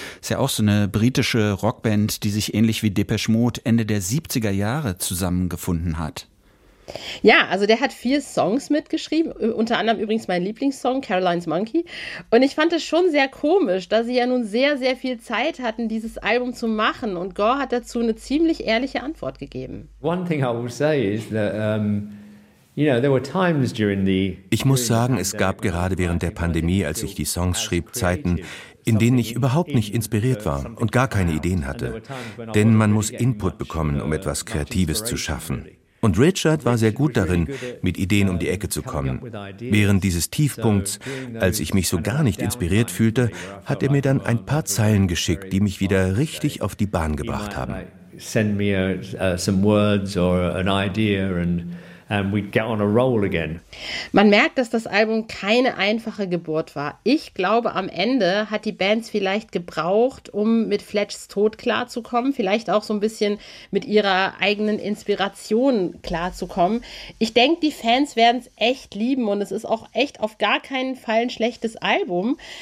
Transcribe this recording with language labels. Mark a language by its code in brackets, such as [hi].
[de] Ist ja auch so eine britische Rockband, die sich ähnlich wie Depeche Mode Ende der 70er Jahre zusammengefunden hat. Ja, also der hat 4 Songs mitgeschrieben, unter anderem übrigens mein Lieblingssong, Caroline's Monkey. Und ich fand es schon sehr komisch, da sie ja nun sehr, sehr viel Zeit hatten, dieses Album zu machen. Und Gore hat dazu eine ziemlich ehrliche Antwort gegeben. [en] One thing I will say is that, you know, there were times during the... [de] Ich muss sagen, es gab gerade während der Pandemie, als ich die Songs schrieb, Zeiten, in denen ich überhaupt nicht inspiriert war und gar keine Ideen hatte. Denn man muss Input bekommen, um etwas Kreatives zu schaffen. Und Richard war sehr gut darin, mit Ideen um die Ecke zu kommen. Während dieses Tiefpunkts, als ich mich so gar nicht inspiriert fühlte, hat er mir dann ein paar Zeilen geschickt, die mich wieder richtig auf die Bahn gebracht haben. [en] Send me some words or an idea and we'd get on a roll again. [de] Man merkt, dass das Album keine einfache Geburt war. Ich glaube, am Ende hat die Band vielleicht gebraucht, um mit Fletchs Tod klarzukommen, vielleicht auch so ein bisschen mit ihrer eigenen Inspiration klarzukommen. Ich denke, die Fans werden es echt lieben und es ist auch echt auf gar keinen Fall ein schlechtes Album.